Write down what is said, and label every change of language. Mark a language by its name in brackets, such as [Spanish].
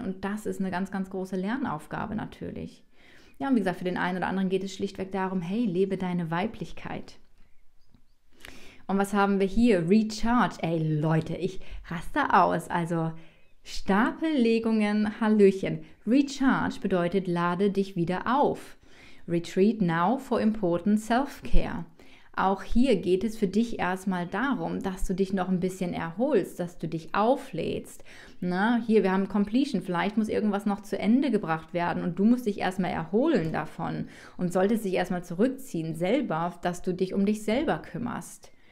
[German] Und das ist eine ganz, ganz große Lernaufgabe natürlich. Ja, und wie gesagt, für den einen oder anderen geht es schlichtweg darum, hey, lebe deine Weiblichkeit. Und was haben wir hier? Recharge. Ey, Leute, ich raste aus. Also Stapellegungen, Hallöchen. Recharge bedeutet, lade dich wieder auf. [English] Retreat now for important self-care. [German] Auch hier geht es für dich erstmal darum, dass du dich noch ein bisschen erholst, dass du dich auflädst. Na, hier, wir haben Completion. Vielleicht muss irgendwas noch zu Ende gebracht werden und du musst dich erstmal erholen davon und solltest dich erstmal zurückziehen selber, dass du dich um dich selber kümmerst.